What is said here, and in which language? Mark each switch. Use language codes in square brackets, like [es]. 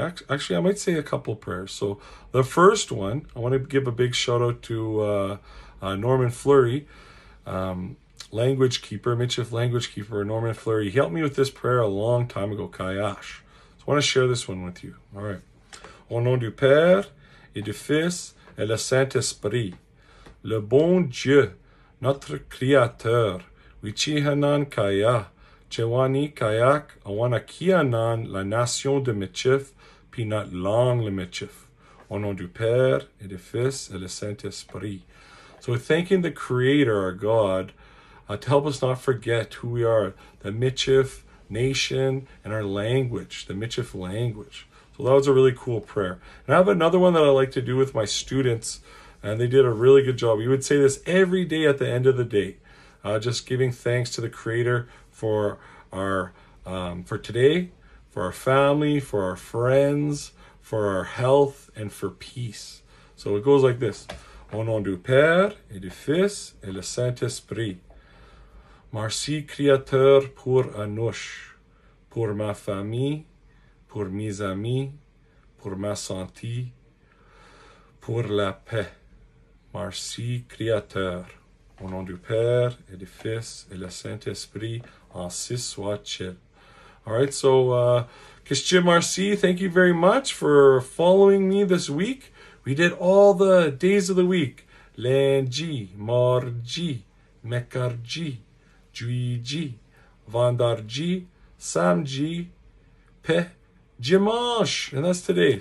[en] Actually, I might say a couple prayers. So the first one, I want to give a big shout out to Norman Fleury. Language keeper, Michif language keeper, Norman Fleury. He helped me with this prayer a long time ago, Kayash. So I want to share this one with you. All right. [fr] Au nom du Père et du Fils et le Saint-Esprit, le bon Dieu, notre Créateur, [crg] Wichihanan Kaya, Chewani Kayak, Awanakianan, [fr] la nation de Michif, [crg] Pinat Long [fr] le Michif. Au nom du Père et du Fils et le Saint-Esprit. [en] So thanking the Creator, our God, to help us not forget who we are, the Michif nation and our language, the Michif language. So that was a really cool prayer. And I have another one that I like to do with my students, and they did a really good job. You would say this every day at the end of the day, just giving thanks to the Creator for our for today, for our family, for our friends, for our health, and for peace. So it goes like this. [fr] Au nom du Père et du Fils et le Saint-Esprit. Merci, Créateur, pour Anush, pour ma famille, pour mes amis, pour ma santé, pour la paix. Merci, Créateur, au nom du Père et du Fils et le Saint-Esprit, ainsi soit-il. [en] All right, so, [crg] Kishim Marci, [en] thank you very much for following me this week. We did all the days of the week. [fr] Lundi, mardi, mercredi. [crg] Juiji, Vandarji, Samji, Pe, Jimash. [en] And that's today.